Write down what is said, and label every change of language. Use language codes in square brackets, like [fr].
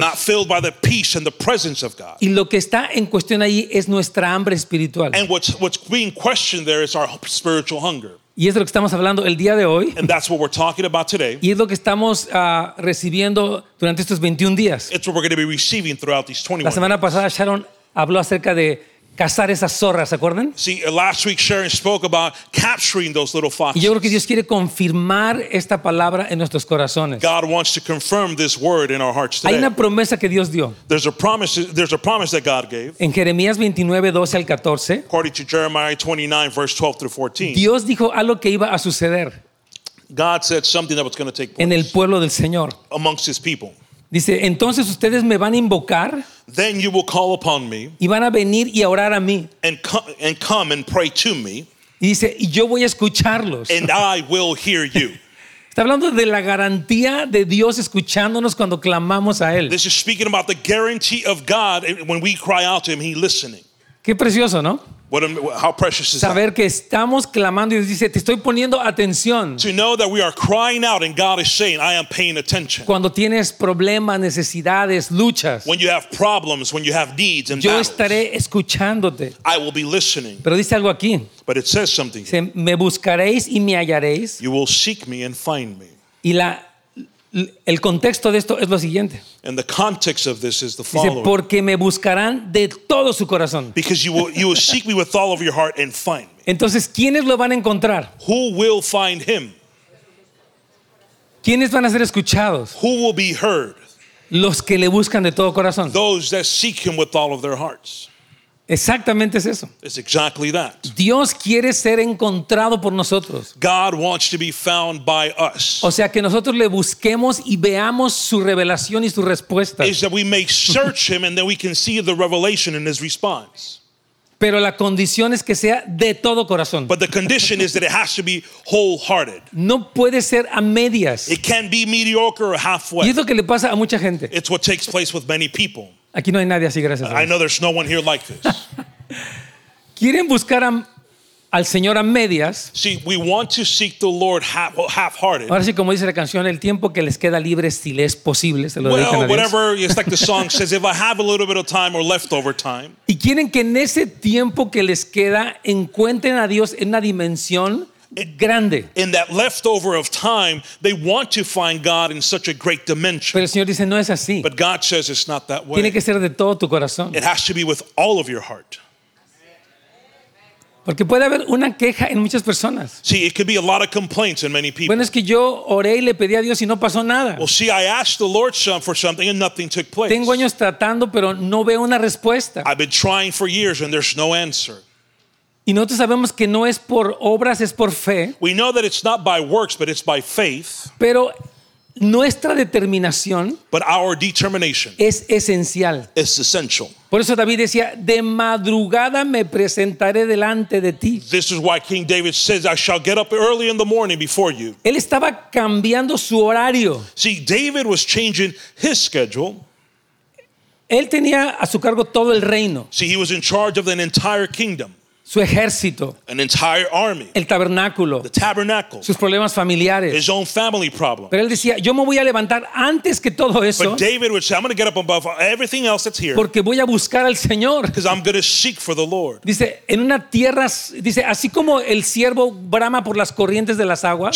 [en] Not filled by the peace and the presence of God. [es] Y lo que está en cuestión ahí es nuestra hambre espiritual. [en] And what's being questioned there is our spiritual hunger. [es] Y es de lo que estamos hablando el día de hoy. [en] And that's what we're talking about today. [es] Y es lo que estamos recibiendo durante estos 21 días. [en] It's what we're going to be receiving throughout these 21 [es] La semana pasada Sharon habló acerca de cazar esas zorras, ¿se acuerdan? [en] See, last week Sharon spoke about capturing those little foxes. [es] Y yo creo que Dios quiere confirmar esta palabra en nuestros corazones. [en] God wants to confirm this word in our hearts today. [es] Hay una promesa que Dios dio. [en] There's a promise that God gave. [es] En Jeremías 29, 12 al 14. [en] According to Jeremiah 29, verse 12 through 14. [es] Dios dijo algo que iba a suceder. [en] God said something that was going to take place. [es] En el pueblo del Señor. [en] Amongst his people. [es] Dice, entonces ustedes me van a invocar. [en] Then you will call upon me. [es] Y van a venir y a orar a mí. [en] And come and pray to me. [es] Y dice, y yo voy a escucharlos. [en] And I will hear you. [es] Está hablando de la garantía de Dios escuchándonos cuando clamamos a Él. [en] This is speaking about the guarantee of God when we cry out to Him, He's listening. [es] Qué precioso, ¿no? [en] How precious is that? [es] Saber que estamos clamando y Dios dice, te estoy poniendo atención. [en] To know that we are crying out and God is saying, I am paying attention. [es] Cuando tienes problemas, necesidades, luchas. [en] When you have problems, when you have needs and [es] yo [en] battles. [es] Yo estaré escuchándote. [en] I will be listening. [es] Pero dice algo aquí. [en] But it says something. [es] Dice, me buscaréis y me hallaréis. [en] You will seek me and find me. [es] Y el contexto de esto es lo siguiente. [en] And the context of this is the following. [es] Dice, porque me buscarán de todo su corazón. [en] Because you will seek me with all of your heart and find me. [es] Entonces, ¿quiénes lo van a encontrar? [en] Who will find him? [es] ¿Quiénes van a ser escuchados? [en] Who will be heard? [es] Los que le buscan de todo corazón. [en] Those that seek him with all of their hearts. [es] Exactamente es eso. [en] It's exactly that. [es] Dios quiere ser encontrado por nosotros. [en] God wants to be found by us. [es] O sea, que nosotros le busquemos y veamos su revelación y su respuesta. [en] Is that we may search him and then we can see the revelation and his response. [es] Pero la condición es que sea de todo corazón. [en] But the condition is that it has to be wholehearted. [es] No puede ser a medias. [en] It can't be mediocre or halfway. [es] Y es lo que le pasa a mucha gente. [en] It's what takes place with many people. [es] Aquí no hay nadie así, gracias a Dios. [en] I know there's no one here like this. [es] Quieren buscar al Señor a medias. [en] See, we want to seek the Lord half-hearted. [es] Ahora sí, como dice la canción, el tiempo que les queda libre, si les es posible, se lo dejan a Dios. Well, [en] whatever, it's like the song says, if I have a little bit of time or leftover time. [es] Y quieren que en ese tiempo que les queda encuentren a Dios en una dimensión grande. [en] In that leftover of time, they want to find God in such a great dimension. [es] Pero el Señor dice, no es así. [en] But God says it's not that way. [es] Tiene que ser de todo tu corazón. [en] It has to be with all of your heart. [es] Porque puede haber una queja en muchas personas. [en] See, it could be a lot of complaints in many people. [es] Bueno, es que yo oré y le pedí a Dios y no pasó nada. [en] Well, see, I asked the Lord for something and nothing took place. [es] Tengo años tratando, pero no veo una respuesta. [en] I've been trying for years and there's no answer. [es] Y nosotros sabemos que no es por obras, es por fe. [en] We know that it's not by works, but it's by faith. [es] Pero nuestra determinación, [en] but our determination, [es] es esencial. [en] It's essential. [es] Por eso David decía, de madrugada me presentaré delante de ti. [en] This is why King David says, I shall get up early in the morning before you. [es] Él estaba cambiando su horario. [en] See, David was changing his schedule. [es] Él tenía a su cargo todo el reino. [en] See, he was in charge of an entire kingdom. [es] Su ejército, [en] an entire army, [es] el tabernáculo, [en] the tabernacle, [es] sus problemas familiares, [en] his own family problem. [es] Pero él decía, yo me voy a levantar antes que todo eso. [en] But David would say, I'm going to get up above everything else that's here. [es] Porque voy a buscar al Señor. [en] Because I'm going to seek for the Lord. [es] Dice, en una tierra, dice, así como el ciervo brama por las corrientes de las aguas.